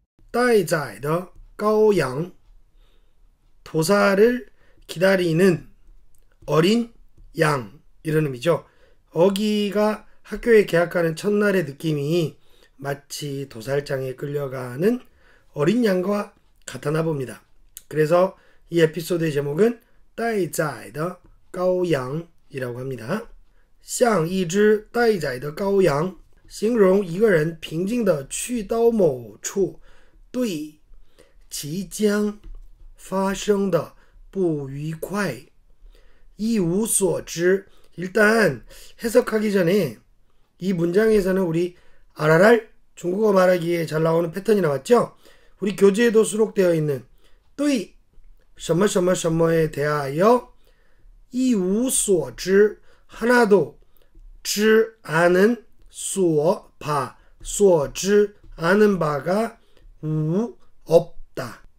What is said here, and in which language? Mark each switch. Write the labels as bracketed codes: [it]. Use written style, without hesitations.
[zh] 待宰的 羔羊 [ko] 보살을 기다리는 어린 양 이런 의미죠. 어기가 학교에 개학하는 첫날의 느낌이 마치 도살장에 끌려가는 어린 양과 같았나 봅니다. 그래서 이 에피소드의 제목은 [zh] 待宰的 羔羊 [ko] 이라고 합니다. [zh] 像一只待宰的 羔羊 形容一个人平静地去到某处对即将发生的不愉快一无所知. [ko] 일단 해석하기 전에 이 문장에서는 우리 아랄랄 중국어 말하기에 잘 나오는 패턴이 나왔죠. 우리 교재에도 수록되어 있는 또이 [zh] 什么什么什么 [ko] 에 대하여 이 [zh] 无所知 [ko] 하나도 知 아는 所 바 所知 아는 바가 无 없다.